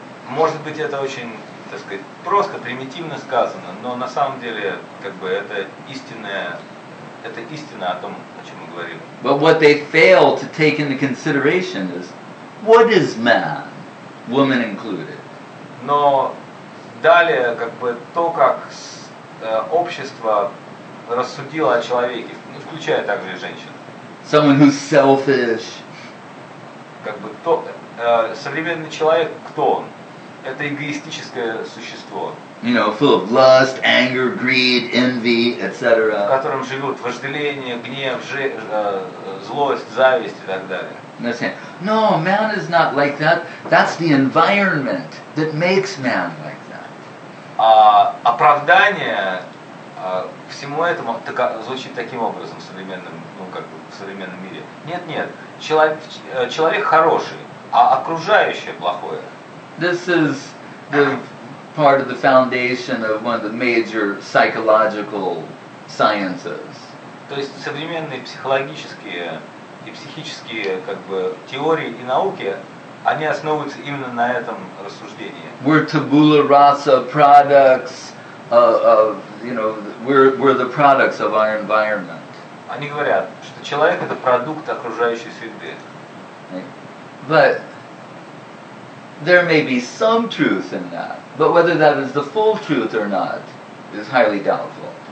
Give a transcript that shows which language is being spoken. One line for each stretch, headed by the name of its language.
Russian: Может быть, это очень, так сказать, просто примитивно сказано, но на самом деле как бы это истина о том, о чем мы говорим.
English: But what they fail to take into consideration is what is man, woman included.
Russian: Но далее как бы то, как общество рассудило о человеке, ну, включая также и женщин.
English: Someone who's selfish.
Russian: Как бы то, современный человек, кто он? Это эгоистическое существо.
English: You know, full of lust, anger, greed, envy, etc.
Russian: В котором живут вожделение, гнев, злость, зависть и так далее.
English: they're saying, no, man is not like that. That's the environment that makes man like that.
Russian: Оправдание всему этому звучит таким образом в современном, ну как бы в современном мире. Нет, нет, человек хороший, а окружающее плохое.
English: This is the part of the foundation of one of the major psychological sciences.
Russian: То есть современные психологические и психические как бы теории и науки, они основываются именно на этом рассуждении.
English: We're tabula rasa products of, you know, we're the products of our environment.
Russian: Они говорят, что человек это продукт окружающей среды.
English: But there may be some truth in that, but whether that is the full truth or not is highly doubtful.